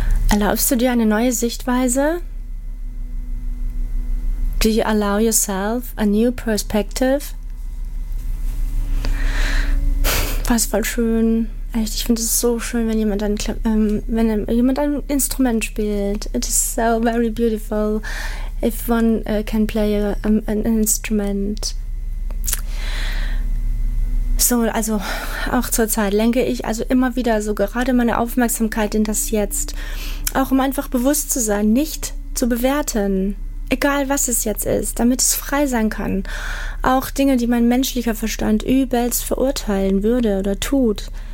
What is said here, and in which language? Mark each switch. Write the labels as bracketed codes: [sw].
[de] Erlaubst du dir eine neue Sichtweise? [en] Do you allow yourself a new perspective? [de] Was voll schön. Echt, ich finde es so schön, wenn jemand ein Instrument spielt. [en] It is so very beautiful if one can play an instrument. [de] So, also auch zur Zeit lenke ich also immer wieder so gerade meine Aufmerksamkeit in das Jetzt. Auch um einfach bewusst zu sein, nicht zu bewerten. Egal, was es jetzt ist, damit es frei sein kann. Auch Dinge, die mein menschlicher Verstand übelst verurteilen würde oder tut.